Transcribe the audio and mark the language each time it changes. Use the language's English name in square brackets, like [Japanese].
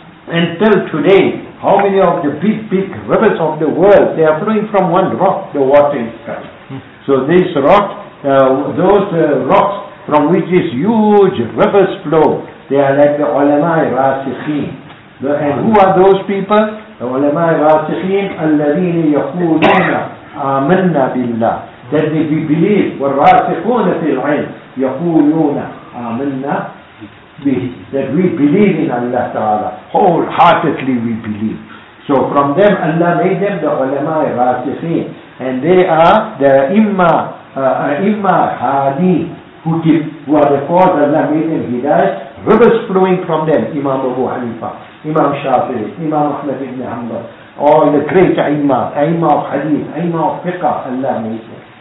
[English] Until today, how many of the big rivers of the world, they are flowing from one rock, the water is coming. So these rocks, those rocks from which these huge rivers flow, they are like the ulama-i rasikhin. And who are those people? The ulama-i rasikhin, [Arabic] الَّذِينَ يَقُولُونَ آمَنَّا بِاللَّهِ. [English] That they believe, [Arabic] وَالْرَاسِخُونَ فِي الْعِلْمِ يَقُولُونَ آمَنَّا بِهِ. [English] That we believe in Allah Ta'ala. Wholeheartedly we believe. So from them Allah made them the ulama-i rasikhin. And they are the imma hadi, who are the cause Allah made them hidayah. Rivers flowing from them, Imam Abu Hanifa, Imam Shafi'i, Imam Ahmad ibn Hanbal, all the great Aimah of Hadith, Aimah of Fiqh, Allah made them.